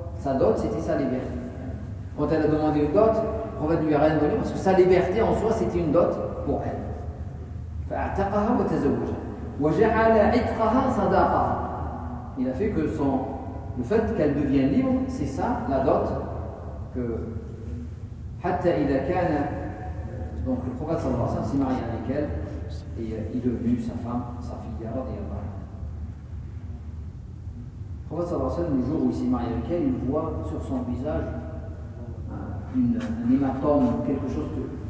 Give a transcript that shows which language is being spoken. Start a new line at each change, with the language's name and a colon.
French: Sa dot, c'était sa liberté. Quand elle a demandé une dot, le prophète lui a rien donné parce que sa liberté en soi, c'était une dot pour elle.
Arabic: فَاَعْتَقَهَا وَتَزَوُجَ وَجَعَلَ عِتْقَهَا صَدَاقَهَا.
French: Il a fait que le fait qu'elle devienne libre, c'est ça, la dot.
Arabic: Que حَتَّ إِذَا كَانَ.
French: Donc le prophète sallallahu alayhi wa sallam s'est marié avec elle et il est devenu sa femme, sa fille radiyallahu anha. Le prophète sallallahu alayhi wa sallam, le jour où il s'est marié avec elle, il voit sur son visage un hématome, quelque chose que...